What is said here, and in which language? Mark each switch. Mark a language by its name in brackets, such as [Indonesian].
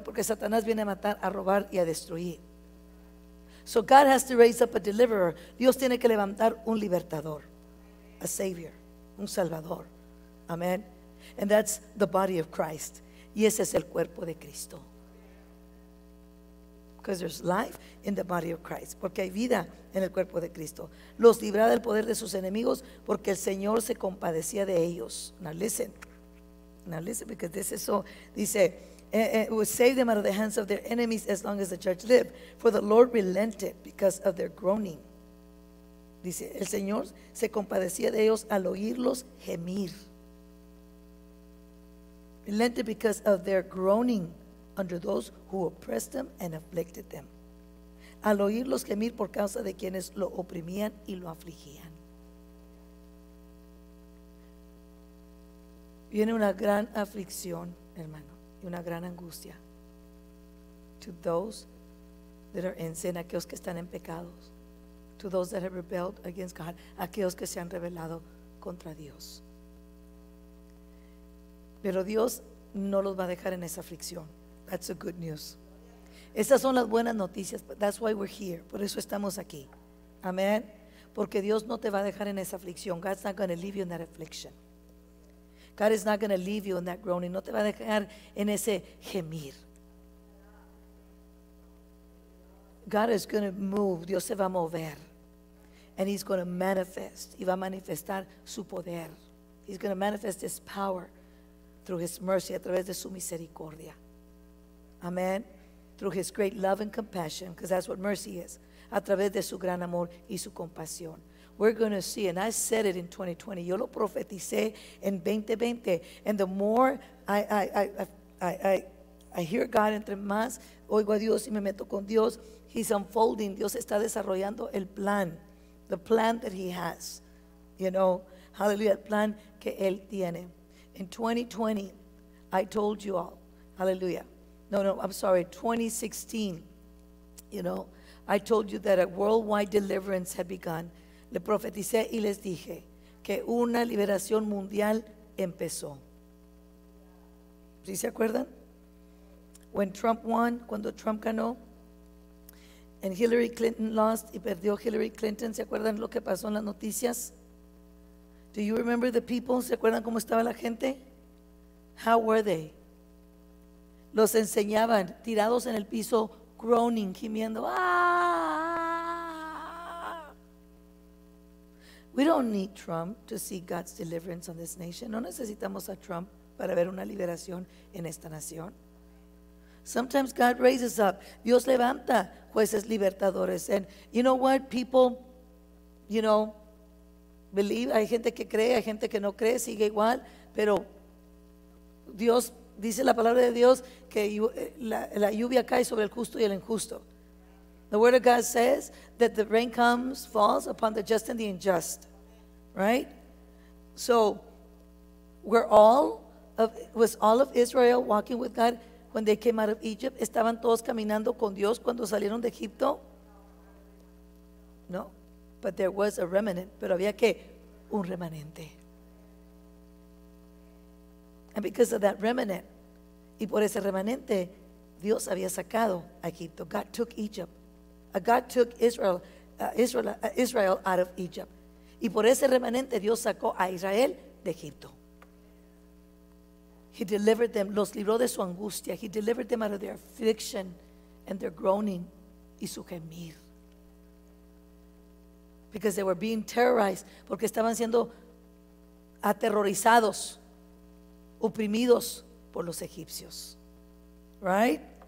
[Spanish] Porque Satanás viene a matar, a robar y a destruir. [English] So God has to raise up a deliverer. [Spanish] Dios tiene que levantar un libertador. [English] A savior. [Spanish] Un salvador. Amen. [English] And that's the body of Christ. [Spanish] Y ese es el cuerpo de Cristo. [English] Because there's life in the body of Christ. [Spanish] Porque hay vida en el cuerpo de Cristo. Los librará del poder de sus enemigos porque el Señor se compadecía de ellos. [English] Now listen. Now listen, because this is so. Dice, it would save them out of the hands of their enemies as long as the church lived. For the Lord relented because of their groaning. [Spanish] Dice, el Señor se compadecía de ellos al oírlos gemir. [English] Relented because of their groaning under those who oppressed them and afflicted them. [Spanish] Al oírlos gemir por causa de quienes lo oprimían y lo afligían. Viene una gran aflicción, hermano, y una gran angustia. [English] To those that are in sin, [Spanish] aquellos que están en pecados. [English] To those that have rebelled against God, [Spanish] aquellos que se han rebelado contra Dios. Pero Dios no los va a dejar en esa aflicción. [English] That's the good news. [Spanish] Esas son las buenas noticias. [English] But that's why we're here. [Spanish] Por eso estamos aquí. [English] Amen. [Spanish] Porque Dios no te va a dejar en esa aflicción. [English] God's not going to leave you in that affliction. God is not going to leave you in that groaning. [Spanish] No te va a dejar en ese gemir. [English] God is going to move. [Spanish] Dios se va a mover. [English] And he's going to manifest. [Spanish] Y va a manifestar su poder. [English] He's going to manifest his power through his mercy, [Spanish] a través de su misericordia. Amen. [English] Through his great love and compassion, because that's what mercy is. [Spanish] A través de su gran amor y su compasión. [English] We're going to see, and I said it in 2020. [Spanish] Yo lo profeticé en 2020. [English] And the more I hear God, [Spanish] entre más oigo a Dios y me meto con Dios, [English] he's unfolding. [Spanish] Dios está desarrollando el plan. [English] The plan that he has. You know, hallelujah, [Spanish] el plan que él tiene. [English] In 2020, I told you all, hallelujah. No, I'm sorry, 2016, you know, I told you that a worldwide deliverance had begun. [Spanish] Le profeticé y les dije que una liberación mundial empezó. ¿Sí se acuerdan? [English] When Trump won, [Spanish] cuando Trump ganó, [English] and Hillary Clinton lost, [Spanish] y perdió Hillary Clinton, ¿se acuerdan lo que pasó en las noticias? [English] Do you remember the people? [Spanish] ¿Se acuerdan cómo estaba la gente? [English] How were they? [Spanish] Los enseñaban tirados en el piso, groaning, gimiendo. [English] ¡Ah! We don't need Trump to see God's deliverance on this nation. [Spanish] No necesitamos a Trump para ver una liberación en esta nación. [English] Sometimes God raises up. [Spanish] Dios levanta jueces libertadores. [English] And you know what, people, you know, believe. [Spanish] Hay gente que cree, hay gente que no cree, sigue igual. Pero Dios dice la palabra de Dios que la lluvia cae sobre el justo y el injusto. [English] The word of God says that the rain comes, falls upon the just and the unjust. Right? So, was all of Israel walking with God when they came out of Egypt? [Spanish] ¿Estaban todos caminando con Dios cuando salieron de Egipto? [English] No. But there was a remnant. [Spanish] Pero había que un remanente. [English] And because of that remnant, [Spanish] y por ese remanente, Dios había sacado a Egipto. [English] God took Egypt. God took Israel out of Egypt. [Spanish] Y por ese remanente, Dios sacó a Israel de Egipto. [English] He delivered them, [Spanish] los libró de su angustia. [English] He delivered them out of their affliction and their groaning [Spanish] y su gemir. [English] Because they were being terrorized, [Spanish] porque estaban siendo aterrorizados, oprimidos por los egipcios. Right?